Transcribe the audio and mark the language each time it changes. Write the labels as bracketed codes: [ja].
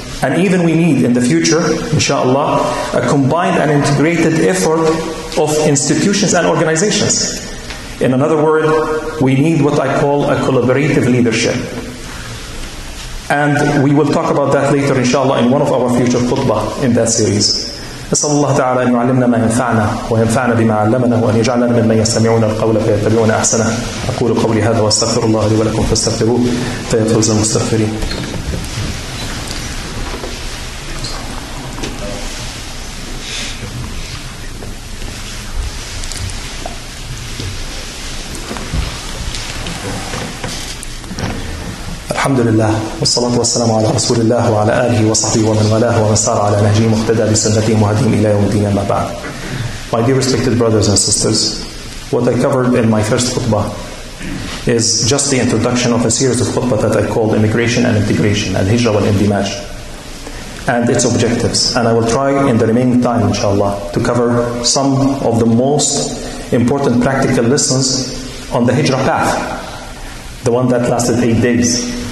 [en] And even we need in the future, inshallah, a combined and integrated effort of institutions and organizations. In another word, we need what I call a collaborative leadership. And we will talk about that later, inshallah, in one of our future khutbah in that series. [ar] أسأل الله تعالى أن يعلمنا ما ينفعنا وينفعنا بما علمنا وأن يجعلنا ممن يستمعون القول فيتبعون أحسنه أقول قولي هذا وأستغفر الله لي ولكم فاستغفروه فيا فوز المستغفرين. الحمد لله والصلاة والسلام على رسول الله وعلى آله وصحبه ومن والاه ومن سار على نهجه مهتدى بسنته مهديا إلى يوم الدين أما بعد. [en] My dear respected brothers and sisters, what I covered in my first khutbah is just the introduction of a series of khutbah that I called Immigration and Integration, [ar] Al-Hijra wal-Indimaj, [en] and its objectives. And I will try in the remaining time, inshallah, to cover some of the most important practical lessons on the Hijra path, the one that lasted 8 days.